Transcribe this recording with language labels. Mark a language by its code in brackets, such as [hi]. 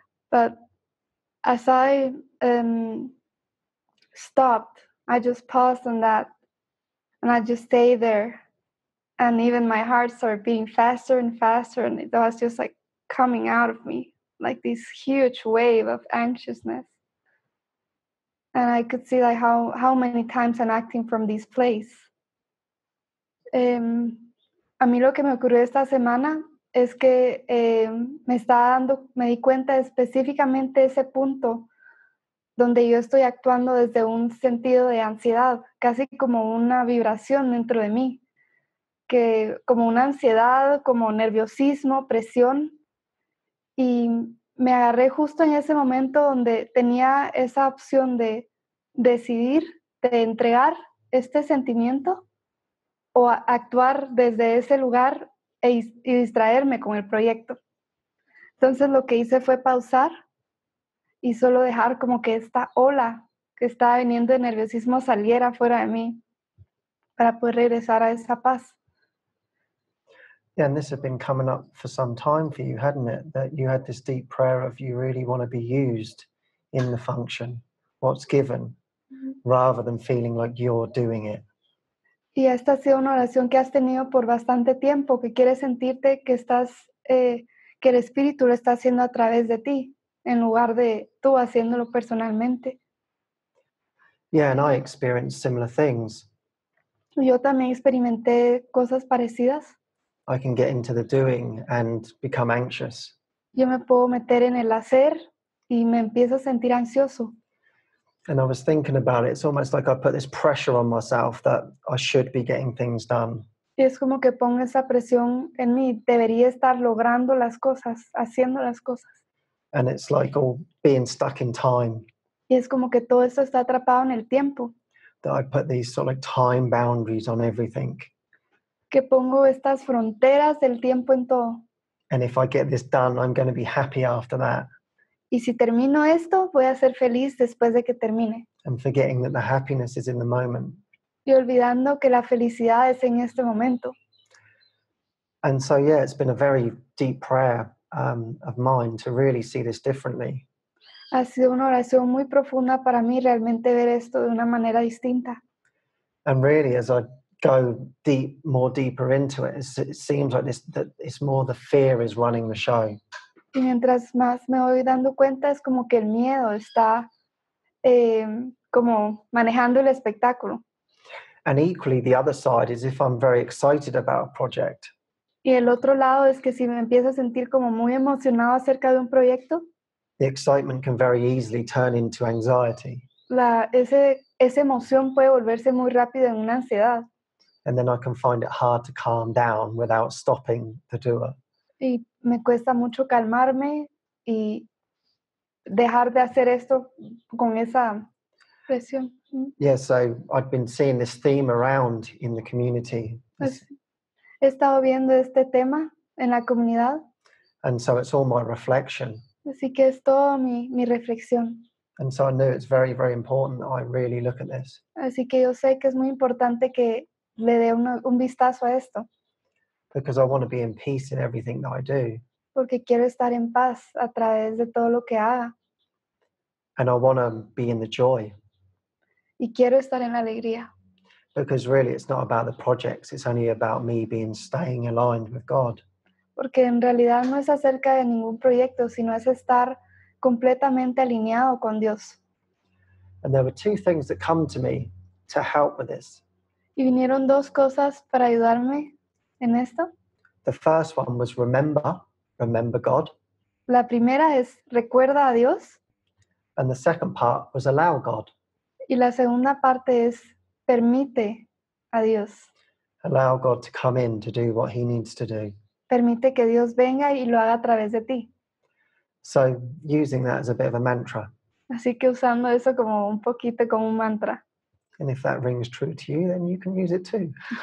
[en] But as I stopped, I just paused on that and I just stayed there. And even my heart started beating faster and faster. And it was just like coming out of me, like this huge wave of anxiousness. And I could see like how many times I'm acting from this place. [es] A mí lo que me ocurrió esta semana es que me di cuenta específicamente ese punto donde yo estoy actuando desde un sentido de ansiedad, casi como una vibración dentro de mí, que como una ansiedad, como nerviosismo, presión, y me agarré justo en ese momento donde tenía esa opción de decidir, de entregar este sentimiento o actuar desde ese lugar y distraerme con el proyecto. Entonces lo que hice fue pausar y solo dejar como que esta ola que estaba viniendo de nerviosismo saliera fuera de mí para poder regresar a esa paz. [en] Yeah, and this had been coming up for some time for you, hadn't it? That you had this deep prayer of you really want to be used in the function, what's given, rather than feeling like you're doing it. [es] Y esta ha sido una oración que has tenido por bastante tiempo, que quieres sentirte que estás, que el Espíritu lo está haciendo a través de ti, en lugar de tú haciéndolo personalmente. [en] Yeah, and I experienced similar things. [es] Yo también experimenté cosas parecidas. [en] I can get into the doing and become anxious. [es] Yo me puedo meter en el hacer y me empiezo a sentir ansioso. [en] And I was thinking about it. It's almost like I put this pressure on myself that I should be getting things done. [es] Es como que pongo esa presión en mí. Debería estar logrando las cosas, haciendo las cosas. [en] And it's like all being stuck in time. [es] Y es como que todo esto está atrapado en el tiempo. [en] That I put these sort of like time boundaries on everything. [es] Que pongo estas fronteras del tiempo en todo. [en] And if I get this done, I'm going to be happy after that. [es] Y si termino esto, voy a ser feliz después de que termine. [en] I'm forgetting that the happiness is in the moment. [es] Y olvidando que la felicidad es en este momento. [en] And so, yeah, it's been a very deep prayer of mine to really see this differently. [es] Ha sido una oración muy profunda para mí realmente ver esto de una manera distinta. [en] And really, as I go deep, more deeper into it, it seems like this, that it's more the fear is running the show. [es] Y mientras más me voy dando cuenta, es como que el miedo está como manejando el espectáculo. [en] And equally, the other side is if I'm very excited about a project. [es] Y el otro lado es que si me empiezo a sentir como muy emocionado acerca de un proyecto, [en] the excitement can very easily turn into anxiety. [es] Esa emoción puede volverse muy rápido en una ansiedad. [en] And then I can find it hard to calm down without stopping the doer. [es] Y me cuesta mucho calmarme y dejar de hacer esto con esa presión. [en] Yeah, so I've been seeing this theme around in the community. [es] He estado viendo este tema en la comunidad. [en] And so it's all my reflection. [es] Así que es todo mi reflexión. [en] And so I knew it's very, very important that I really look at this. [es] Así que yo sé que es muy importante que le dé un vistazo a esto. [en] Because I want to be in peace in everything that I do. [es] Porque quiero estar en paz a través de todo lo que haga. [en] And I want to be in the joy. [es] Y quiero estar en la alegría. [en] Because really it's not about the projects, it's only about me being staying aligned with God. [es] Porque en realidad no es acerca de ningún proyecto, sino es estar completamente alineado con Dios. [en] And there were two things that come to me to help with this. [es] Y vinieron dos cosas para ayudarme en esto. [en] The first one was remember God. [es] La primera es recuerda a Dios. [en] And the second part was allow God. [es] Y la segunda parte es permite a Dios. [en] Allow God to come in to do what he needs to do. [es] Permite que Dios venga y lo haga a través de ti. [en] So using that as a bit of a mantra. [es] Así que usando eso como un poquito como un mantra. [en] And if that rings true to you, then you can use it too.